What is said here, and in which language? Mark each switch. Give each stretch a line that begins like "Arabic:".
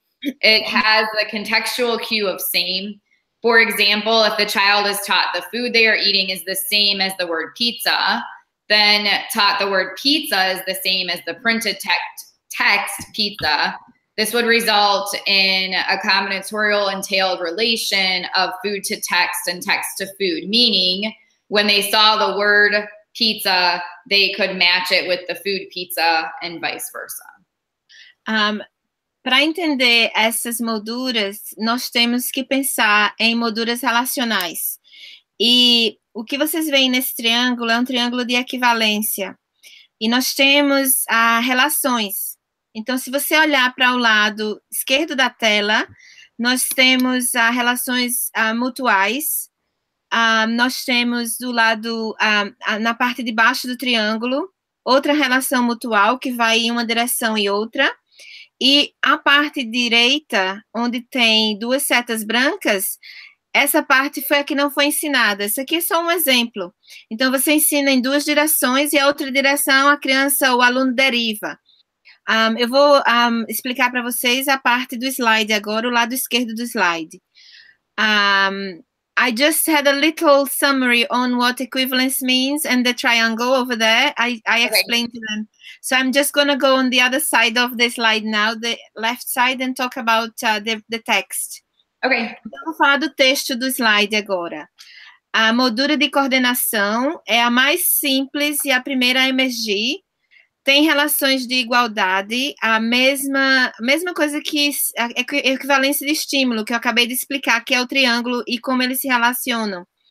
English: It has the contextual cue of same. For example, if the child is taught the food they are eating is the same as the word pizza, then taught the word pizza is the same as the printed text pizza, this would result in a combinatorial entailed relation of food to text and text to food, meaning when they saw the word pizza, they could match it with the food pizza and vice versa.
Portuguese: Para entender essas molduras, nós temos que pensar em molduras relacionais. E o que vocês veem nesse triângulo é um triângulo de equivalência. E nós temos relações. Então, se você olhar para o lado esquerdo da tela, nós temos relações mutuais. Nós temos do lado, na parte de baixo do triângulo, outra relação mutual que vai em uma direção e outra. E a parte direita, onde tem duas setas brancas, essa parte foi a que não foi ensinada. Isso aqui é só um exemplo. Então, você ensina em duas direções e a outra direção a criança, o aluno deriva. Eu vou explicar para vocês a parte do slide agora, o lado esquerdo do slide.
English: I just had a little summary on what equivalence means and the triangle over there. I explained to them. So I'm just going to go on the other side of the slide now, the left side, and talk about the text. Okay.
Portuguese: Então, vou falar do texto do slide agora. A moldura de coordenação é a mais simples e a primeira a emergir. Tem relações de igualdade, a mesma coisa que a equivalência de estímulo, que eu acabei de explicar, que é o triângulo e como eles se relacionam.